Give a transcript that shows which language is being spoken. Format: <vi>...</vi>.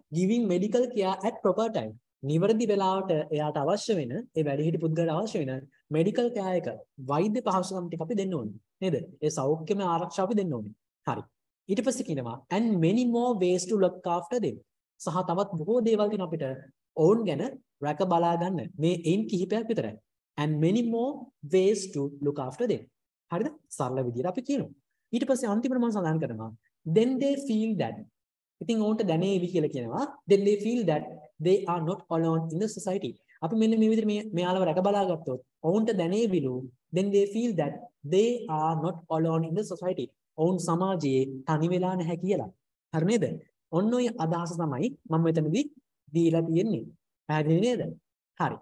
<en>giving medical care at proper time.</en> <si>නිවැරදි වෙලාවට එයාට අවශ්‍ය වෙන ඒ වැඩිහිටි පුද්ගලයාට අවශ්‍ය වෙන මෙඩිකල් කෑ එක වෛද්‍ය පහසුකම් ටික අපි දෙන්න ඕනේ. නේද? ඒ සෞඛ්‍යම ආරක්ෂාව අපි දෙන්න ඕනේ. හරි. ඊට පස්සේ කියනවා</si> <en>and many more ways to look after them.</en> <si>සහ තවත් බොහෝ දේවල් තියෙනවා අපිට ඔවුන් ගැන රැක බලා ගන්න. මේ එයින් කිහිපයක් විතරයි.</si> <en>and many more ways to look after them.</en> <si>හරිද? සරල විදිහට අපි කියනවා. ඊට පස්සේ අන්තිමට මම සඳහන් කරනවා</si> <en>then they feel that.</en> <si>ඉතින් ඔවුන්ට දැනේවි කියලා කියනවා.</si> <en>then they feel that they are not alone in the society.</en> <si>අපි මෙන්න මේ විදිහට මෙයාලව රැක බලා ගත්තොත් ඔවුන්ට දැනේවිලු</si> <en>then they feel that they are not alone in the society.</en> <si>ඔවුන් සමාජයේ තනි වෙලා නැහැ කියලා. හරි නේද? ඔන්න ඔය අදහස තමයි මම මෙතනදී දීලා තියෙන්නේ. පැහැදිලි නේද? හරි.</si>